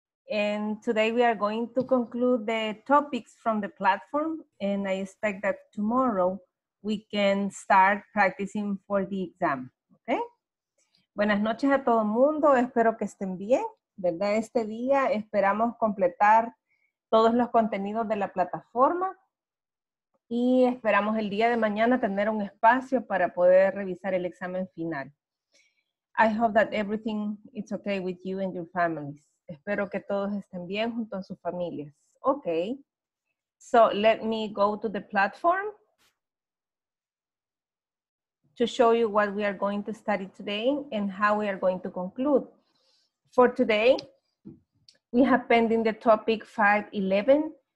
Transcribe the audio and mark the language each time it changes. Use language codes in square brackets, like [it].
[en] And today we are going to conclude the topics from the platform, and I expect that tomorrow we can start practicing for the exam, okay? [es] Buenas noches a todo el mundo. Espero que estén bien, ¿verdad? Este día esperamos completar todos los contenidos de la plataforma. Y esperamos el día de mañana tener un espacio para poder revisar el examen final. [en] I hope that everything is okay with you and your families. [es] Espero que todos estén bien junto a sus familias. [en] Okay. So let me go to the platform to show you what we are going to study today and how we are going to conclude. For today, we have pending the topic 5.11.